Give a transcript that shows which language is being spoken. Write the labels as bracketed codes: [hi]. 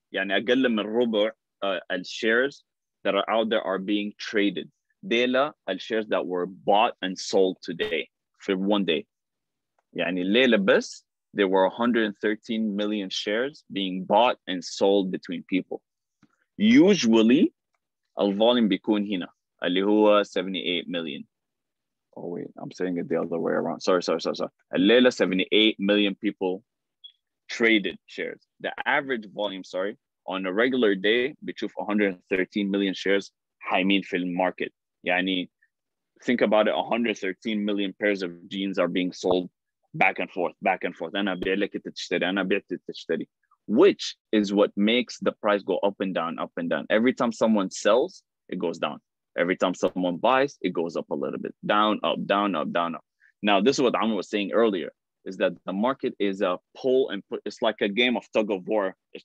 [ar] يعني أقل من ربع [en] shares that are out there are being traded. [ar] ديلا [en] shares that were bought and sold today for one day. [ar] يعني ليلة بس, [en] there were 113 million shares being bought and sold between people. Usually, [ar] الvolume بيكون هنا, اللي هو 78 million. [en] Oh, wait, I'm saying it the other way around. Sorry. [ar] Alayla, [en] 78 million people traded shares. The average volume, sorry, on a regular day, [ar] بتشوف [en] 113 million shares, [ar] حايمين في [en] market. [ar] يعني, [en] think about it, 113 million pairs of jeans are being sold back and forth. [ar] أنا بيع لك تشتري, أنا بيع تشتري. [en] Which is what makes the price go up and down. Every time someone sells, it goes down. Every time someone buys, it goes up a little bit. Down, up. Now, this is what Amr was saying earlier, is that the market is a pull and put. It's like a game of tug of war.